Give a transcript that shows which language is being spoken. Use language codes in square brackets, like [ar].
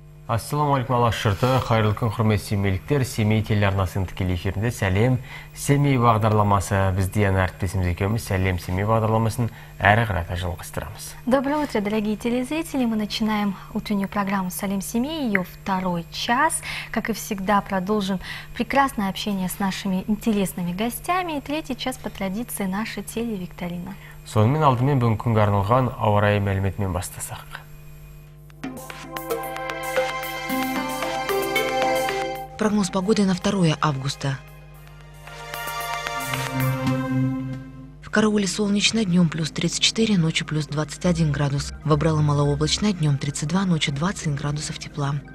[kk] Ассаламу алейкум, алаш жұрты, қайырлы күн, құрметті семейліктер. Семей телеарнасының тікелей эфирінде сәлем Семей бағдарламасы. Біз Диана әріптесіміз екеуміз сәлем Семей бағдарламасын әрі қарата жалғастырамыз. [ru] Доброе утро, дорогие телезрители. Мы начинаем утреннюю программу «Сәлем Семей», ее второй час. Как и всегда, продолжим прекрасное общение с нашими интересными гостями. И третий час по традиции наша телевикторина. [kk] Сонымен алдымен бүгін күнге арналған ауа райы мәліметімен бастасақ. [ru] Прогноз погоды на 2 августа. В Карауле солнечно, днем плюс 34, ночью плюс 21 градус. В Абрале малооблачно, днем 32, ночью 20 градусов тепла.